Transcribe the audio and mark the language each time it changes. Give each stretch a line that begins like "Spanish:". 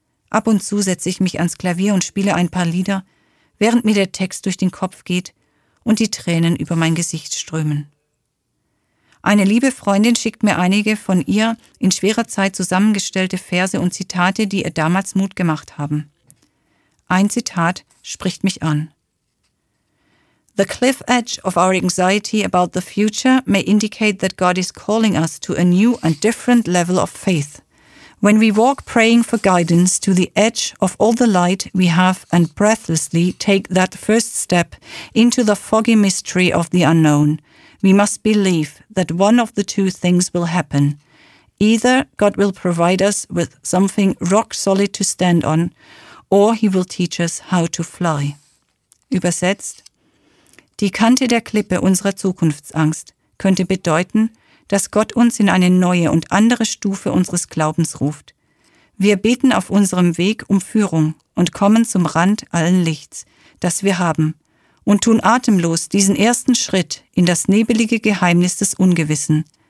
German: Ab und zu setze ich mich ans Klavier und spiele ein paar Lieder, während mir der Text durch den Kopf geht und die Tränen über mein Gesicht strömen. Eine liebe Freundin schickt mir einige von ihr in schwerer Zeit zusammengestellte Verse und Zitate, die ihr damals Mut gemacht haben. Ein Zitat spricht mich an.
English: The cliff edge of our anxiety about the future may indicate that God is calling us to a new and different level of faith. When we walk praying for guidance to the edge of all the light we have and breathlessly take that first step into the foggy mystery of the unknown, we must believe that one of the two things will happen. Either God will provide us with something rock solid to stand on, or he will teach us how to fly.
German: Übersetzt: Die Kante der Klippe unserer Zukunftsangst könnte bedeuten, dass Gott uns in eine neue und andere Stufe unseres Glaubens ruft. Wir beten auf unserem Weg um Führung und kommen zum Rand allen Lichts, das wir haben, und tun atemlos diesen ersten Schritt in das nebelige Geheimnis des Ungewissen.